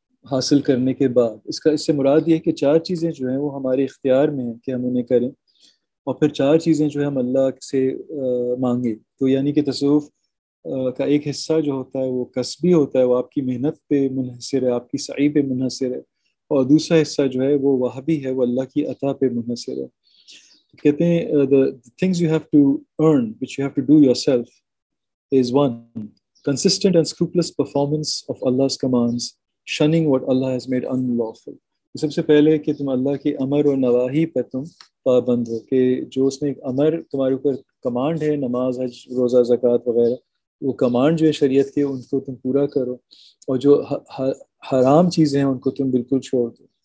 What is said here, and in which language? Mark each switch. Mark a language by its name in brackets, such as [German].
[Urdu] حاصل کرنے کے بعد. اس کا اس سے مراد یہ ہے کہ چار چیزیں جو ہیں وہ ہمارے اختیار میں ہیں کہ ہم انہیں کریں, اور پھر چار چیزیں جو ہے ہم اللہ سے مانگیں. تو یعنی کہ تصوف کا ایک حصہ جو ہوتا ہے وہ کسبی ہوتا ہے, وہ آپ کی محنت پہ منحصر ہے, آپ کی سعی پہ منحصر ہے, اور دوسرا حصہ جو ہے وہ وہابی ہے, وہ اللہ کی عطا پہ منحصر ہے. کہتے ہیں [English] the things you have to earn which you have to do yourself is one, consistent and scrupulous performance of Allah's commands, shunning what Allah has made unlawful. [Urdu] سب سے پہلے کہ تم اللہ کے امر اور نواہی پہ تم پابند ہو, کہ جو اس نے ایک امر تمہارے اوپر کمانڈ ہے, نماز, حج, روزہ, زکوٰۃ وغیرہ, وہ کمانڈ جو ہے شریعت کے, ان کو تم پورا کرو, اور جو حرام چیزیں ہیں ان کو تم بالکل چھوڑ دو.